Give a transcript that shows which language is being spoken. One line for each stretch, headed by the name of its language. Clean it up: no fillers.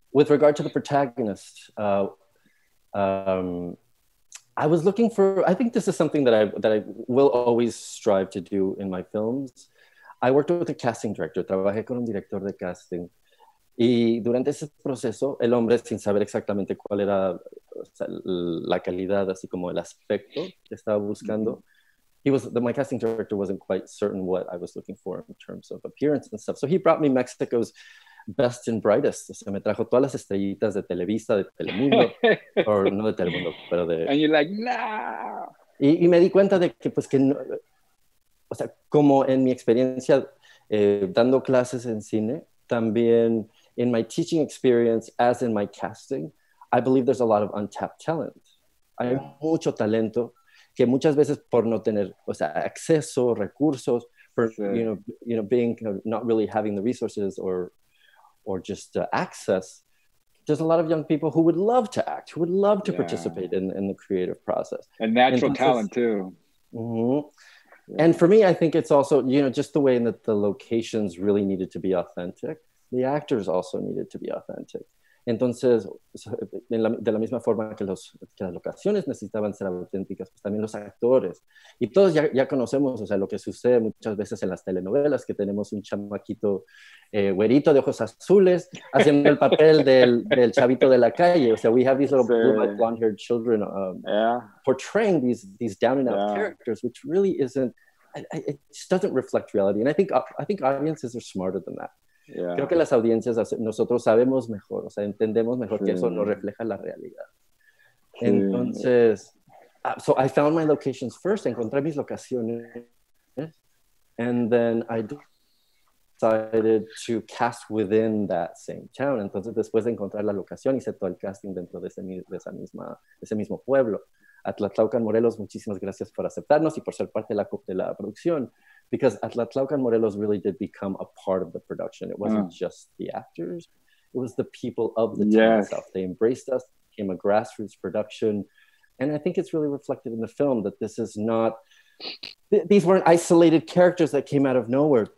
English: with regard to the protagonist, I was looking for. I think this is something that I will always strive to do in my films. I worked with a casting director.
Spanish: Trabajé con un director de casting, y durante ese proceso, el hombre, sin saber exactamente cuál era, o sea, la calidad, así como el aspecto que estaba buscando.
English: My casting director wasn't quite certain what I was looking for in terms of appearance and stuff. So he brought me Mexico's best and brightest.
Spanish: O sea, me trajo todas las estrellitas de Televisa, de Telemundo, o no de Telemundo, pero de.
English: You're like, no.
Spanish: Y me di cuenta de que, pues, que no. O sea, como en mi experiencia dando clases en cine, también en
English: my teaching experience, as in my casting, I believe there's a lot of untapped talent.
Spanish: Hay mucho talento que muchas veces por no tener, o sea, acceso, recursos,
English: for, being kind of not really having the resources or just access, there's a lot of young people who would love to act, who would love to participate in the creative process. And natural
Spanish: Entonces,
English: talent too. and for me, I think it's also, just the way that the locations really needed to be authentic, the actors also needed to be authentic.
Spanish: Entonces, de la misma forma que las locaciones necesitaban ser auténticas, pues también los actores. Y todos ya conocemos, o sea, lo que sucede muchas veces en las telenovelas, que tenemos un chamaquito güerito de ojos azules haciendo el papel del chavito de la calle. O sea,
English: we have these little blue-eyed, blonde-haired children portraying these down-and-out characters, which really isn't, it just doesn't reflect reality. And I think audiences are smarter than that.
Spanish: Creo que las audiencias, nosotros sabemos mejor, o sea, entendemos mejor que eso no refleja la realidad. Entonces,
English: so I found my locations first,
Spanish: encontré mis locaciones,
English: and then I decided to cast within that same town.
Spanish: Entonces, después de encontrar la locación, hice todo el casting dentro de ese mismo pueblo. Atlatlaucan, Morelos, muchísimas gracias por aceptarnos y por ser parte de la producción.
English: because Atlatlaucan Morelos really did become a part of the production. It wasn't just the actors, it was the people of the town itself. They embraced us, became a grassroots production. And I think it's really reflected in the film that this is not, these weren't isolated characters that came out of nowhere.